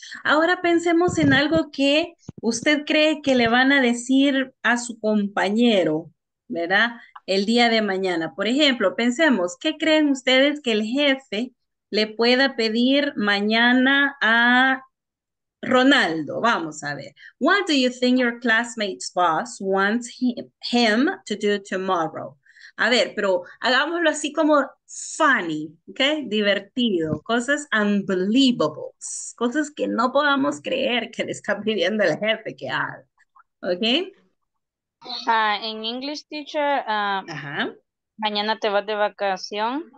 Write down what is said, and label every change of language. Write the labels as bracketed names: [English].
[Spanish] Ahora pensemos en algo que usted cree que le van a decir a su compañero, ¿verdad? El día de mañana. Por ejemplo, pensemos, ¿qué creen ustedes que el jefe le pueda pedir mañana a Ronaldo? Vamos a ver. [English] What do you think your classmate's boss wants him to do tomorrow? [Spanish] A ver, pero hagámoslo así como funny, ¿ok? Divertido. Cosas unbelievable. Cosas que no podamos creer que le está pidiendo el jefe que haga. ¿Ok? [English] In English, teacher, [Spanish] mañana te vas de vacación.